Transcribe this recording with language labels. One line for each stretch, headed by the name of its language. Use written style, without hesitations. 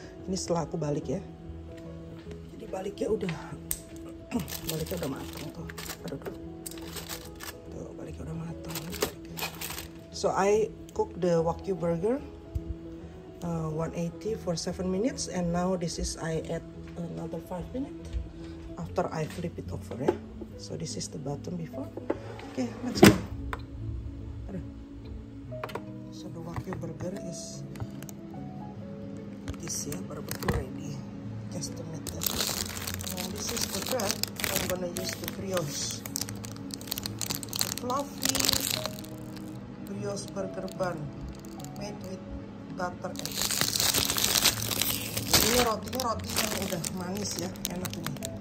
Indonesian: Ini setelah aku balik ya. Jadi baliknya udah matang tuh. Tuh, baliknya udah matang.
English: So I cook the Wagyu burger 180 for 7 minutes and now this is I add another 5 minutes after I flip it over ya. So this is the bottom before. Okay, let's go. So the Wagyu burger is this ya,
Indonesian: baru-baru
English: ready. Just to meet that. And this is the bread. I'm gonna use the brioche, the fluffy brioche burger bun made with butter.
Indonesian: Ini roti yang udah manis ya, enak ini.